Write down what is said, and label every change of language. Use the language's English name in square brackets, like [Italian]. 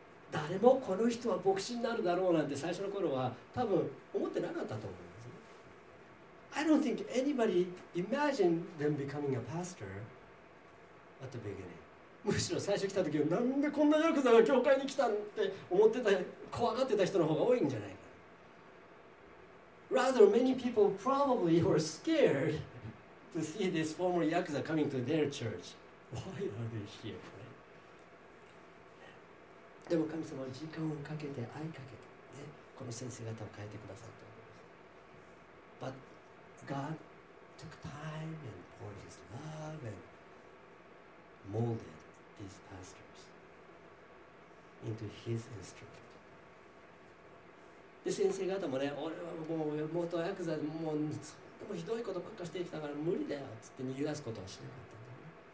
[Japanese] 誰もこの人は牧師になるだろうなんて最初の頃は多分思ってなかったと思うんです。 [English] I don't think anybody imagined them becoming a pastor at the beginning. [Japanese] むしろ最初来た時はなんでこんなヤクザが教会に来たって思ってた、怖がってた人の方が多いんじゃないか。 [English] Rather, many people probably were scaredto see this former Yakuza coming to their church. Why are they here? [Japanese] でも神様は時間をかけて愛かけて、ね、この先生方を変えてくださったと思います。 [English] But God took time and poured His love and molded these pastors into His instrument. [Japanese] で先生方もね、俺はもう元ヤクザ、もうでもひどいことばっかしてきたから無理だよっつって逃げ出すことはしなかったんだね。